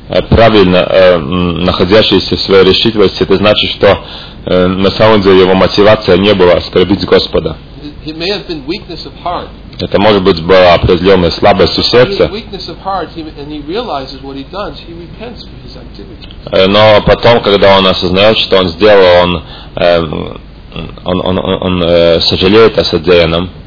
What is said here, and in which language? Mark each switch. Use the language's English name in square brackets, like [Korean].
[Russian] Правильно находящийся в своей решимости, это значит, что на самом деле его мотивация не была оскорбить Господа. [English] It may have been weakness of heart. [Russian] Это может быть была определенная слабость сердца. [English] Weakness of heart, and he realizes what he does. He repents for his activity. [Russian] Но потом, когда он осознает, что он сделал, он сожалеет о содеянном.